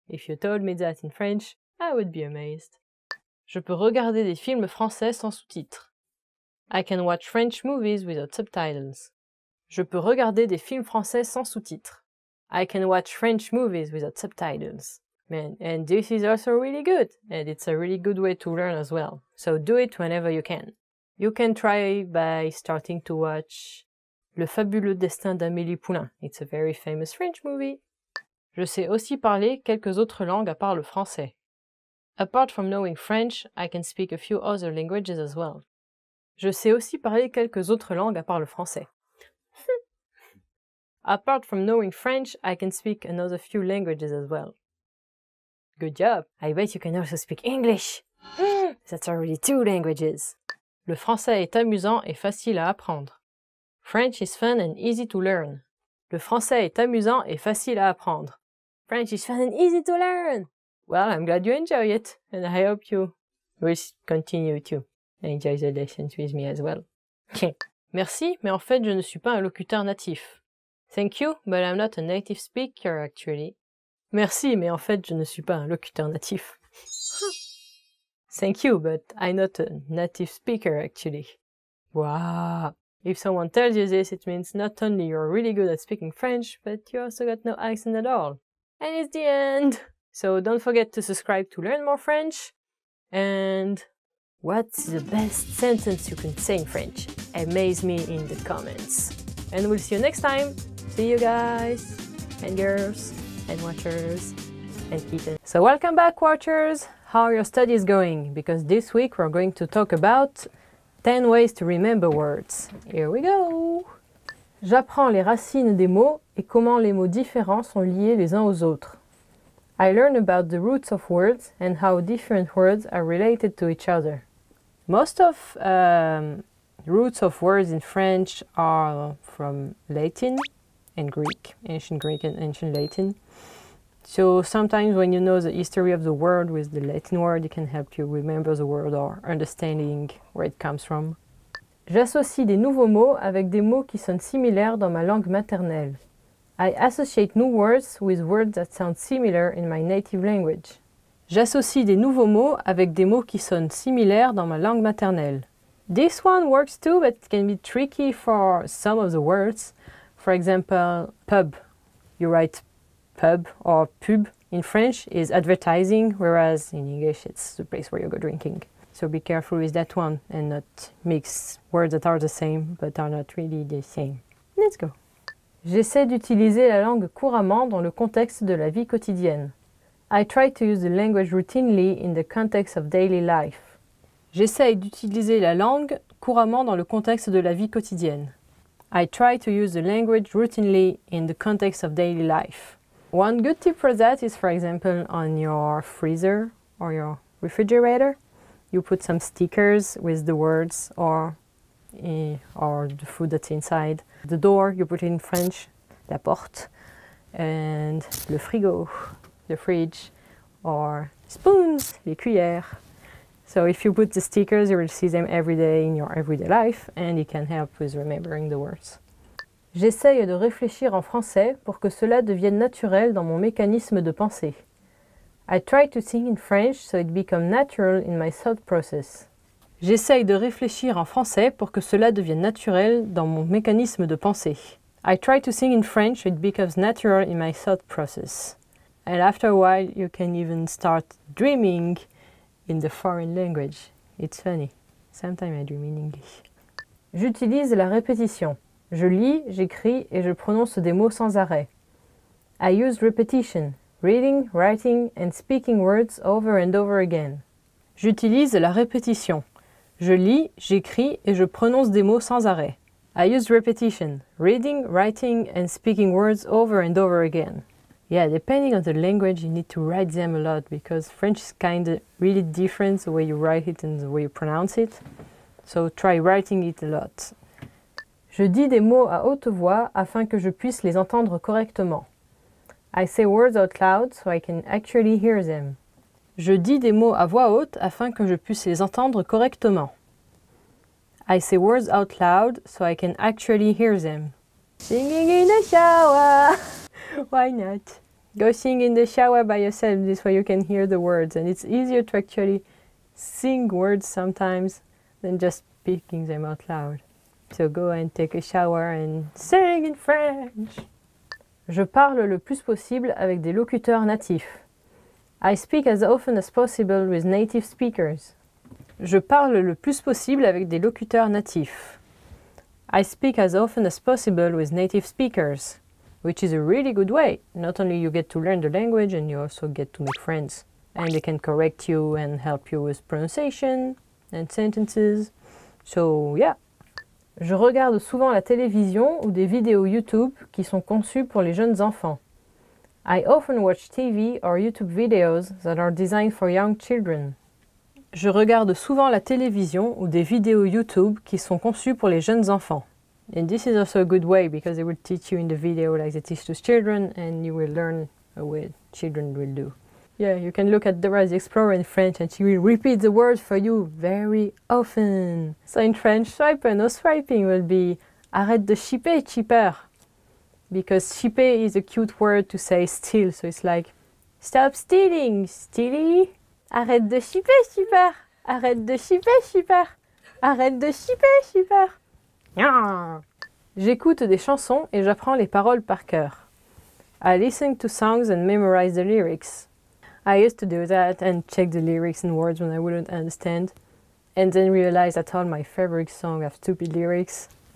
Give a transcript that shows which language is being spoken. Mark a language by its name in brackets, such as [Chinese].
[English] If you told me that in French, I would be amazed. [French] Je peux regarder des films français sans sous-titres. [English] I can watch French movies without subtitles. [French] Je peux regarder des films français sans sous-titres. [English] I can watch French movies without subtitles. Man, and this is also really good, and it's a really good way to learn as well. So do it whenever you can. You can try by starting to watch Le fabuleux destin d'Amélie Poulain. It's a very famous French movie. [French] Je sais aussi parler quelques autres langues à part le français. [English] Apart from knowing French, I can speak a few other languages as well. [French] Je sais aussi parler quelques autres langues à part le français. [English] Apart from knowing French, I can speak another few languages as well. Good job! I bet you can also speak English! That's already 2 languages! [French] Le français est amusant et facile à apprendre. [English] French is fun and easy to learn. [French] Le français est amusant et facile à apprendre. [English] French is fun and easy to learn! Well, I'm glad you enjoy it, and I hope you will continue to enjoy the lessons with me as well. [French] Merci, mais en fait, je ne suis pas un locuteur natif. [English] Thank you, but I'm not a native speaker, actually. [French] Merci, mais en fait, je ne suis pas un locuteur natif. [English] Thank you, but I'm not a native speaker, actually. Wow! If someone tells you this, it means not only you're really good at speaking French, but you also got no accent at all. And it's the end! So don't forget to subscribe to learn more French. And what's the best sentence you can say in French? Amaze me in the comments. And we'll see you next time. See you guys and girls and watchers and kittens. So welcome back, watchers. How are your studies going? Because this week we're going to talk about 10 ways to remember words. Here we go. [French] J'apprends les racines des mots et comment les mots différents sont liés les uns aux autres. [English] I learn about the roots of words and how different words are related to each other. Most of roots of words in French are from Latin and Greek, ancient Greek and ancient Latin. So sometimes when you know the history of the word with the Latin word, it can help you remember the word or understanding where it comes from. [French] J'associe des nouveaux mots avec des mots qui sonnent similaires dans ma langue maternelle. [English] I associate new words with words that sound similar in my native language. [French] J'associe des nouveaux mots avec des mots qui sonnent similaires dans ma langue maternelle. [English] This one works too, but can be tricky for some of the words. For example, pub. You write pub or pub in French is advertising, whereas in English it's the place where you go drinking. So be careful with that one and not mix words that are the same but are not really the same. Let's go. [French] J'essaie d'utiliser la langue couramment dans le contexte de la vie quotidienne. [English] I try to use the language routinely in the context of daily life. [French] J'essaie d'utiliser la langue couramment dans le contexte de la vie quotidienne. [English] I try to use the language routinely in the context of daily life. One good tip for that is, for example, on your freezer or your refrigerator, you put some stickers with the words or the food that's inside. The door, you put it in French, la porte, and le frigo, the fridge, or spoons, les cuillères. So if you put the stickers, you will see them every day in your everyday life, and it can help with remembering the words. [French] J'essaye de réfléchir en français pour que cela devienne naturel dans mon mécanisme de pensée. [English] I try to think in French so it becomes natural in my thought process. [French] J'essaye de réfléchir en français pour que cela devienne naturel dans mon mécanisme de pensée. [English] I try to think in French so it becomes natural in my thought process. And after a while, you can even start dreaming in the foreign language. It's funny. Sometimes I dream in English. [French] J'utilise la répétition. Je lis, j'écris et je prononce des mots sans arrêt. [English] I use repetition, reading, writing and speaking words over and over again. [French] J'utilise la répétition. Je lis, j'écris et je prononce des mots sans arrêt. [English] I use repetition, reading, writing and speaking words over and over again. Yeah, depending on the language, you need to write them a lot because French is kind of really different the way you write it and the way you pronounce it. So try writing it a lot. [French] Je dis des mots à haute voix afin que je puisse les entendre correctement. [English] I say words out loud so I can actually hear them. [French] Je dis des mots à voix haute afin que je puisse les entendre correctement. [English] I say words out loud so I can actually hear them. Singing in the shower! Why not? Go sing in the shower by yourself, this way you can hear the words. And it's easier to actually sing words sometimes than just speaking them out loud. So go and take a shower and sing in French. [French] Je parle le plus possible avec des locuteurs natifs. [English] I speak as often as possible with native speakers. [French] Je parle le plus possible avec des locuteurs natifs. [English] I speak as often as possible with native speakers. Which is a really good way. Not only you get to learn the language and you also get to make friends. And they can correct you and help you with pronunciation and sentences. So, yeah. [French] Je regarde souvent la télévision ou des vidéos YouTube qui sont conçues pour les jeunes enfants. [English] I often watch TV or YouTube videos that are designed for young children. [French] Je regarde souvent la télévision ou des vidéos YouTube qui sont conçues pour les jeunes enfants. [English] And this is also a good way because they will teach you in the video like they teach to children and you will learn a way children will do. Yeah, you can look at Dora the Explorer in French and she will repeat the words for you very often. So in French, swiper, no swiping will be [French] arrête de chipper, chipper. [English] Because chipper is a cute word to say steal, so it's like stop stealing, steely. [French] Arrête de chipper, chipper. Arrête de chipper, chipper. Arrête de chipper, chipper. [English] Yeah. [French] J'écoute des chansons et j'apprends les paroles par cœur. [English] I listen to songs and memorize the lyrics. I used to do that and check the lyrics and words when I wouldn't understand and then realize that all my favorite songs have stupid lyrics.